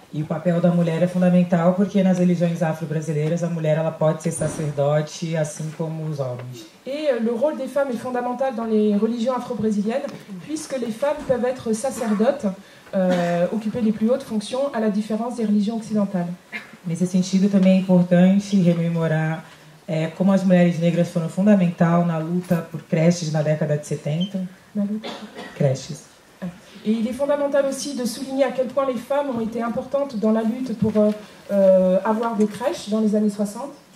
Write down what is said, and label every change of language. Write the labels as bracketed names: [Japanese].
[Portuguese] E o papel da mulher é fundamental porque nas religiões afro-brasileiras a mulher ela pode ser sacerdote assim como os homens. [French] Et le rôle des femmes est fondamental dans les religions afro-brésiliennes puisque les femmes peuvent être sacerdotes, occuper les plus hautes fonctions à la différence des religions occidentales. [Portuguese] Nesse sentido também é importante rememorar como as mulheres negras foram fundamental na luta por creches na década de 70. Na luta. Creches. [French] Et il est fondamental aussi de souligner à quel point les femmes ont été importantes dans la lutte pour avoir des crèches dans les années 60.